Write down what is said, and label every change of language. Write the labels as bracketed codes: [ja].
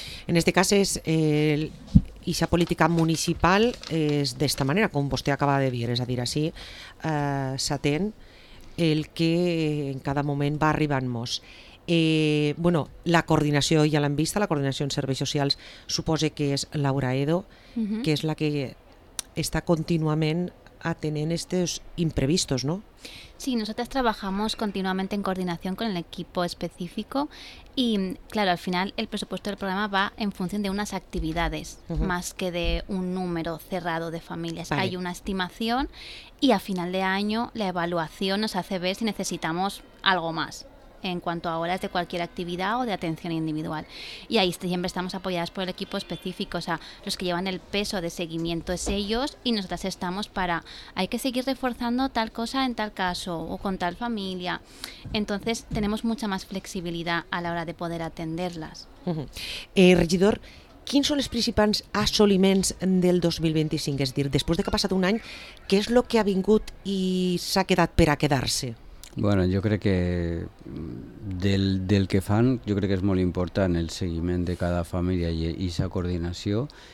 [ca] En aquest cas, aquesta política municipal és d'esta manera, com vostè acaba de dir, és a dir, així s'atén el que en cada moment va arribant-nos. Bueno, la coordinació ja l'hem vista, la coordinació en serveis socials suposa que és Laura Edo, que és la que està contínuament [es] atendiendo estos imprevistos, ¿no? Sí, nosotras trabajamos continuamente en coordinación con el equipo específico y, claro, al final el presupuesto del programa va en función de unas actividades, más que de un número cerrado de familias. Vale. Hay una estimación y a final de año la evaluación nos hace ver si necesitamos algo más en cuanto a horas de cualquier actividad o de atención individual. Y ahí siempre estamos apoyadas por el equipo específico, o sea, los que llevan el peso de seguimiento es ellos y nosotras estamos para, hay que seguir reforzando tal cosa en tal caso o con tal familia. Entonces tenemos mucha más flexibilidad a la hora de poder atenderlas. [ca] Regidor, ¿quins són els principals assoliments del 2025? És a dir, després de que ha passat un any, ¿què és el que ha vingut i s'ha quedat per a quedar-se? Bueno, jo crec que del que fan, jo crec que és molt important el seguiment de cada família i aquesta coordinació.